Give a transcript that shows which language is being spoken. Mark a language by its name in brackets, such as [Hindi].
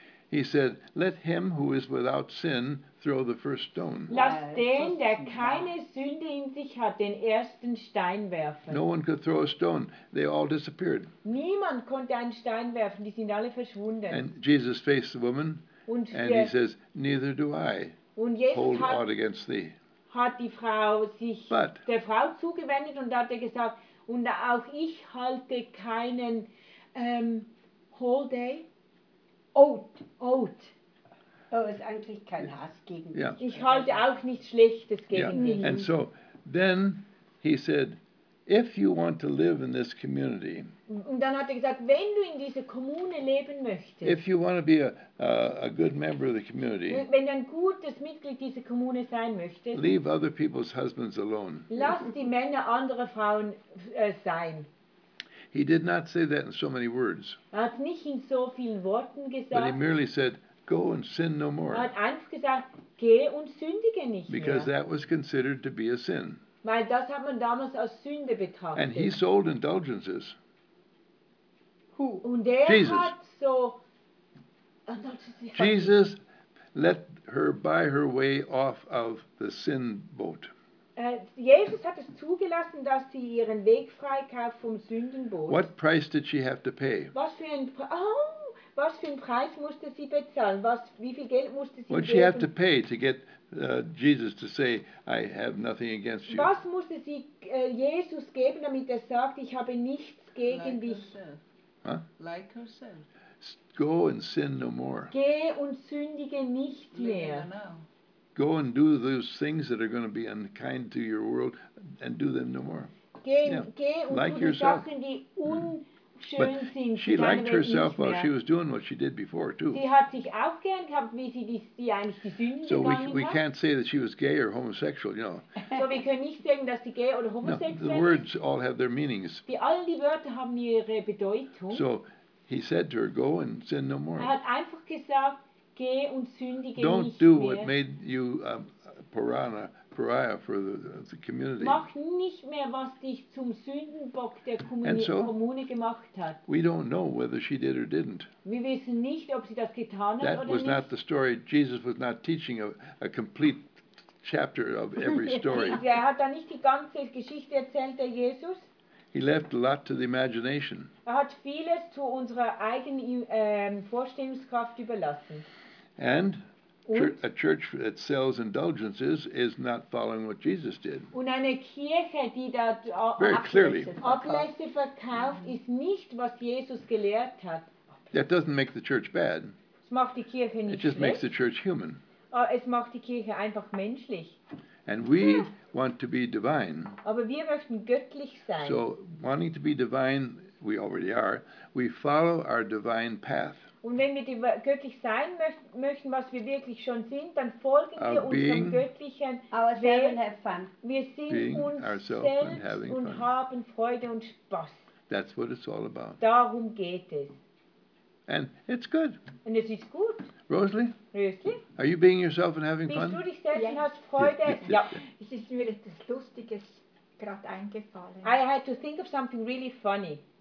[English] he said, let him who is without sin throw the first stone. [German] Lass den, der keine Sünde in sich hat, den ersten Stein werfen. [English] No one could throw a stone. They all disappeared. [German] Niemand konnte einen Stein werfen. Die sind alle verschwunden. [English] And Jesus faced the woman and he says, neither do I [German] und Jesus [English] hold aught against thee. [German] Hat die Frau sich [English] but [German] der Frau zugewendet und hat gesagt, und auch ich halte keinen [English] whole day. Oat. [German] Oh, ist eigentlich kein Hass gegen dich. Ich halte auch nichts Schlechtes gegen dich. [English] And so, then he said, if you want to live in this community, [German] und dann hat gesagt, wenn du in dieser Kommune leben möchtest, [English] if you want to be a good member of the community, [German] wenn du ein gutes Mitglied dieser Kommune sein möchtest, [English] leave other people's husbands alone. [German] Lass die Männer andere Frauen sein. [English] He did not say that in so many words. [German] Er hat nicht in so vielen Worten gesagt. [English] But he merely said, go and sin no more. [German] Er hat einfach gesagt, geh und sündige nicht mehr. [English] Because that was considered to be a sin. [German] Weil das hat man damals als Sünde betrachtet. [English] And he sold indulgences. Who? [German] Und er [English] Jesus. [German] Hat so, [English] Jesus let her buy her way off of the sin boat. [German] Jesus hat es zugelassen, dass sie ihren Weg freikauft vom Sündenboot. [English] What price did she have to pay? [German] Was für einen Preis musste sie bezahlen? Wie viel Geld musste sie geben? [English] What did she have to pay to get Jesus to say, I have nothing against you? [German] Was musste sie Jesus geben, damit er sagt, ich habe nichts gegen dich? [English] Like herself. Go and sin no more. [German] Geh und sündige nicht mehr. [English] Go and do those things that are going to be unkind to your world and do them no more. [German] Geh und tu die Sachen, die unschön sind. [English] She liked herself while she was doing what she did before, too. [German] Sie hat sich auch gern gehabt, wie sie die eigentlich die Sünden so begangen hat. [English] So we can't say that she was gay or homosexual, you know. [German] So wir können nicht sagen, dass sie gay oder homosexuell ist. [English] No, the words all have their meanings. [German] All die Wörter haben ihre Bedeutung. [English] So he said to her, go and sin no more. [German] Er hat einfach gesagt, geh und sündige [English] don't [German] nicht [English] do [German] mehr. [English] What made you pariah for the community. [German] Mach nicht mehr, was dich zum Sündenbock der Kommune gemacht hat. [English] We don't know whether she did or didn't. [German] Wir wissen nicht, ob sie das getan hat oder nicht. [English] That was not the story. Jesus was not teaching a complete chapter of every story. [German] Er hat da nicht die ganze Geschichte erzählt, der Jesus. [English] He left a lot to the imagination. [German] Er hat vieles zu unserer eigenen Vorstellungskraft überlassen. [English] And a church that sells indulgences is not following what Jesus did. [German] Und eine Kirche, die da Ablässe verkauft, ist nicht, was Jesus gelehrt hat. [English] That doesn't make the church bad. [German] Es macht die Kirche nicht [English] it just [German] schlecht. [English] Makes the church human. [German] Es macht die Kirche einfach menschlich. [English] And we want to be divine. [German] Aber wir möchten göttlich sein. [English] So wanting to be divine, we already are, we follow our divine path. [German] Und wenn wir göttlich sein möchten, was wir wirklich schon sind, dann folgen wir unserem göttlichen Weg. Wir sind uns selbst und haben Freude und Spaß. [English] That's what it's all about. [German] Darum geht es. [English] And it's good. [German] Und es ist gut. [English] Rosalie? [German] Rosalie? [English] Are you being yourself and having fun? [German] Bist du dich selbst und hast Freude? Es ist mir etwas Lustiges gerade eingefallen. [English] I had to think of something really funny.